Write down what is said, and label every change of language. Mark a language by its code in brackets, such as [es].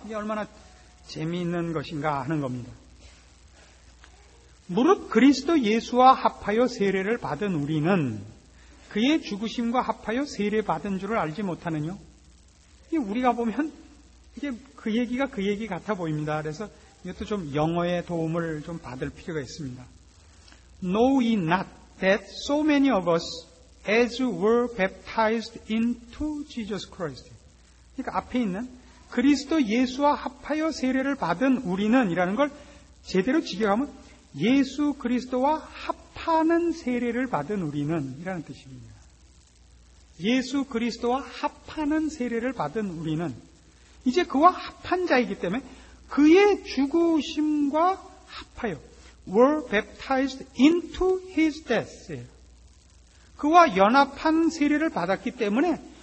[ko] 이게 얼마나 재미있는 것인가 하는 겁니다. 무릇 그리스도 예수와 합하여 세례를 받은 우리는 그의 죽으심과 합하여 세례 받은 줄을 알지 못하느뇨? 우리가 보면 이게 그 얘기가 그 얘기 같아 보입니다. 그래서 이것도 좀 영어의 도움을 좀 받을 필요가 있습니다. [en] Know ye not that so many of us as were baptized into Jesus Christ. [ko] 그러니까 앞에 있는 그리스도 예수와 합하여 세례를 받은 우리는 이라는 걸 제대로 직역하면 예수 그리스도와 합하는 세례를 받은 우리는 이라는 뜻입니다. 예수 그리스도와 합하는 세례를 받은 우리는 이제 그와 합한 자이기 때문에 그의 죽으심과 합하여 [en] were baptized into his death. [ko] 그와 연합한 세례를 받았기 때문에